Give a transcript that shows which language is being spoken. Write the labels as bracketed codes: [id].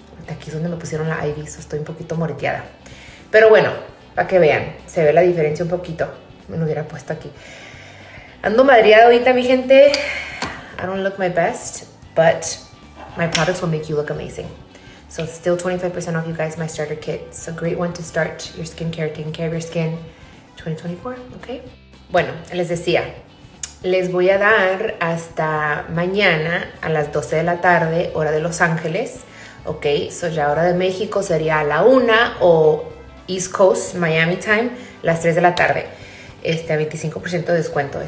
[es] Aquí es donde me pusieron la IV, so estoy un poquito moreteada. Pero bueno, para que vean, se ve la diferencia un poquito. Me lo hubiera puesto aquí. Ando madriada ahorita, mi gente. [en] I don't look my best, but my products will make you look amazing. So it's still 25% off, you guys, my starter kit. It's a great one to start your skincare, taking care of your skin 2024, okay? [es] Bueno, les decía, les voy a dar hasta mañana a las 12 de la tarde, hora de Los Ángeles, ok, so ya hora de México sería a la 1 o [en] East Coast, Miami time, [es] las 3 de la tarde, a 25% de descuento.